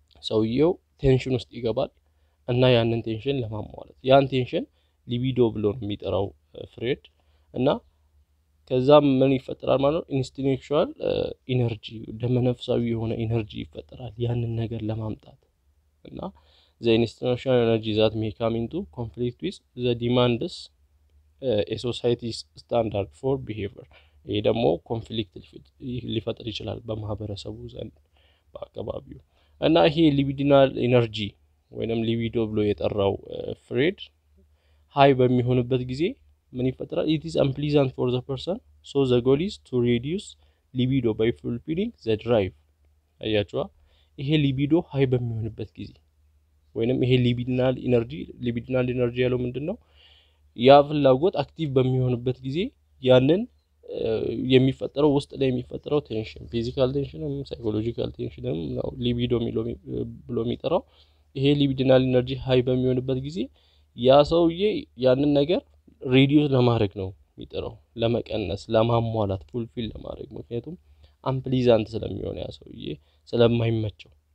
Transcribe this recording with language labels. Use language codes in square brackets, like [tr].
[am] ሰውየው ቴንሽን ውስጥ ይገባል እና ያንን ቴንሽን ለማሟላት ያን ቴንሽን ሊቢዶ ብሎ ነው የሚጠራው ፍሬድ። እና ከዛም ምን ይፈጠራል ማለት ነው ኢንስቲንክቹዋል ኢነርጂ ደመነፍሳዊ የሆነ ኢነርጂ ይፈጠራል ያንን ነገር ለማምጣት እና [en] the institutional energy that may come into conflict with the demands a society's standard for behavior. [am] ይሄ ደግሞ ኮንፍሊክት ሊፈጥር ይችላል በማህበረሰቡ ዘንድ በአካባቢው። እና ይሄ ሊቢዲናል ኢነርጂ ወይንም ሊቢዶ ብሎ የጠራው ፍሬድ ሃይ በሚሆንበት ጊዜ ምን ይፈጠራል? [en] it is unpleasant for the person so the goal is to reduce libido by fulfilling the drive. [am] አያችሁዋ ይሄ ሊቢዶ ሃይ በሚሆንበት ጊዜ ወይንም ይሄ ሊቢዲናል ኢነርጂ ያለው ምንድነው ያ ፍላጎት አክቲቭ በሚሆንበት ጊዜ ያንን የሚፈጠረው ውስጥ ላይ የሚፈጠረው ቴንሽን ፊዚካል ቴንሽንም ሳይኮሎጂካል ቴንሽንም ነው ሊቢዶ ብሎ የሚጠራው። ይሄ ሊቢዲናል ኢነርጂ ሃይ በሚሆንበት ጊዜ ያ ሰውዬ ያንን ነገር ሪዲዩስ ለማድረግ ነው የሚጠራው፣ ለመቀነስ፣ ለማሟላት፣ ፉልፊል ለማድረግ። ምክንያቱም አምፕሊዛንት ስለሚሆን ያ ሰውዬ ስለማይመቸው።